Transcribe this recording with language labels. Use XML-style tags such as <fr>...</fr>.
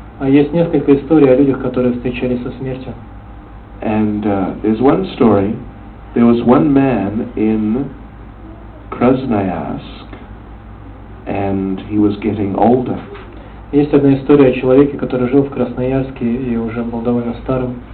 <ru>Есть несколько историй о людях, которые встречались со смертью.</ru> <en>And there's one story. There was one man in Krasnoyarsk, and he was getting older.</en> <ru>Есть одна история о человеке, который жил в Красноярске и уже был довольно старым.</ru>